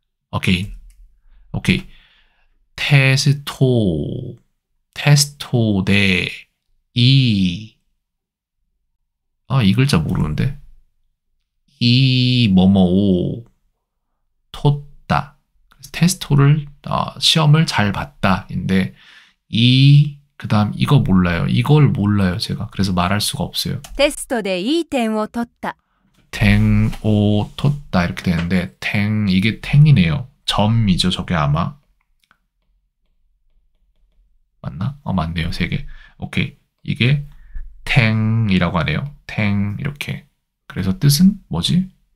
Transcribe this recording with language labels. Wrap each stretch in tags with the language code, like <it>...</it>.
<ko>오케이 오케이 테스토 데이아이 글자 모르는데 이 뭐뭐오 토따 테스토를 시험을 잘 봤다인데 이 그다음 이거 몰라요 이걸 몰라요 제가 그래서 말할 수가 없어요</ko> <ja>テストでいい点を取った.</ja> <ko>탱오 토따 이렇게 되는데 탱 이게 탱이네요 점이죠 저게 아마 맞나? 맞네요 세 개. 오케이 이게 탱이라고 하네요. 탱 이렇게. 그래서 뜻은 뭐지?</ko>